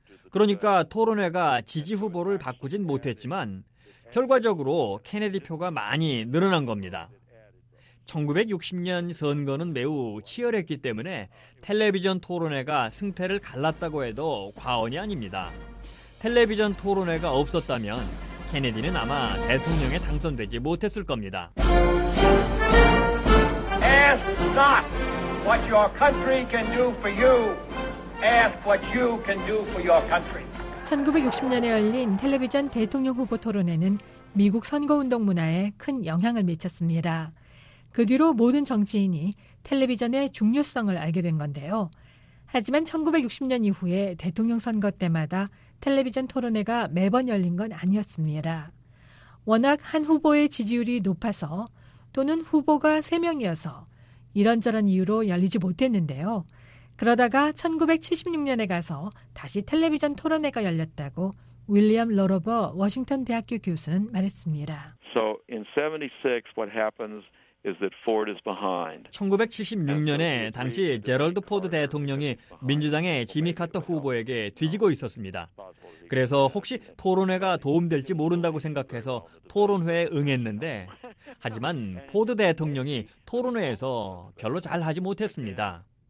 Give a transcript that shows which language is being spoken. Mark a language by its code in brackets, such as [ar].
[ko] 그러니까 토론회가 지지 후보를 바꾸진 못했지만 결과적으로 케네디 표가 많이 늘어난 겁니다. 1960년 선거는 매우 치열했기 때문에 텔레비전 토론회가 승패를 갈랐다고 해도 과언이 아닙니다. 텔레비전 토론회가 없었다면 케네디는 아마 대통령에 당선되지 못했을 겁니다. [en] Ask not what your country can do for you. Ask what you can do for your country. [ko] 1960년에 열린 텔레비전 대통령 후보 토론회는 미국 선거운동 문화에 큰 영향을 미쳤습니다. 그 뒤로 모든 정치인이 텔레비전의 중요성을 알게 된 건데요. 하지만 1960년 이후에 대통령 선거 때마다 텔레비전 토론회가 매번 열린 건 아니었습니다. 워낙 한 후보의 지지율이 높아서 또는 후보가 3명이어서 이런저런 이유로 열리지 못했는데요. 그러다가 1976년에 가서 다시 텔레비전 토론회가 열렸다고 윌리엄 로로버 워싱턴 대학교 교수는 말했습니다. [en] So in 76 what happens is that Ford is behind. [ko] 1976년에 당시 제럴드 포드 대통령이 민주당의 지미 카터 후보에게 뒤지고 있었습니다. 그래서 혹시 토론회가 도움될지 모른다고 생각해서 토론회에 응했는데 하지만 포드 대통령이 토론회에서 별로 잘 하지 못했습니다.